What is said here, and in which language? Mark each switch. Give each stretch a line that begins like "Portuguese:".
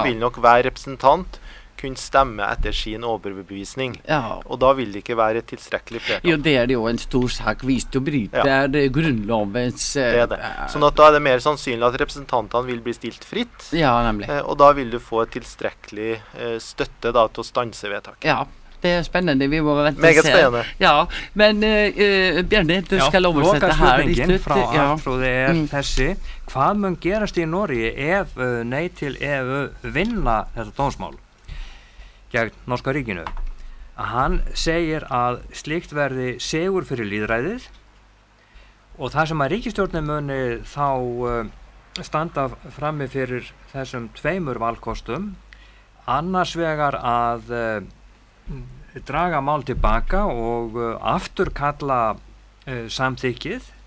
Norwegian: Så vil nok hver representant kunne stemme etter sin overbevisning. Ja. Og da vil det ikke være et tilstrekkelig flertall. Jo, det jo en stor sak hvis du bryter ja. Grunnlovens... Det det. Sånn at da det mer sannsynlig at representantene vil bli stilt fritt. Ja, nemlig. Og da vil du få et tilstrekkelig støtte da, til å stanse vedtaket. Ja.
Swedish: Det är spännande, vi måste vänta mega spännande. Ja, men Bjarni, du ska ja, översätta här i slutet. Frá, ja, tror det är þessi.
Icelandic: Hvað mun gerast í Noregi ef nei til EU vinna þetta dómsmál gegn norska ríkinu? Hann segir að slíkt verði sigur fyrir lýðræðið og það sem að ríkisstjórnin muni þá standa frammi fyrir þessum tveimur valkostum annars vegar að draga mál tilbaka og aftur kalla samþykkið